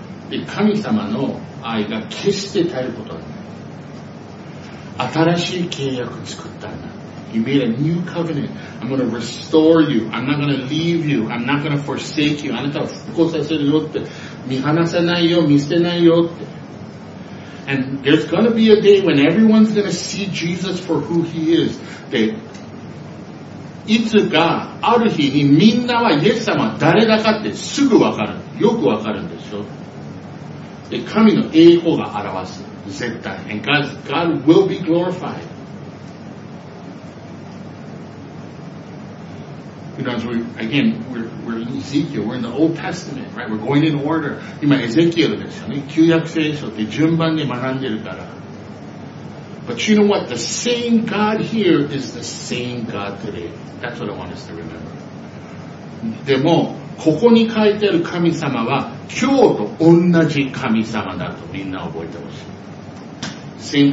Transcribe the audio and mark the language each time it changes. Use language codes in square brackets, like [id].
[ja] で神様の愛が決して絶えることはない。新しい契約作ったんだ。 [en] You made a new covenant. I'm going to restore you. I'm not going to leave you. I'm not going to forsake you. [ja] あなたを復興させるよって。見放さないよ、見捨てないよって。 [en] And there's going to be a day when everyone's going to see Jesus for who he is. [ja] で、いつかある日にみんなはイエス様誰だかってすぐわかる。よくわかるんでしょ。で、神の栄光が表す。絶対。 [en] And God will be glorified. You know, as we, again, we're in Ezekiel, we're in the Old Testament, right? We're going in order. [ja] 今 Ezekiel ですよね。旧約聖書って順番で学んでるから。 [en] But you know what? The same God here is the same God today. That's what I want us to remember. [ja] でも、ここに書いてある神様は今日と同じ神様だとみんな覚えてほしい。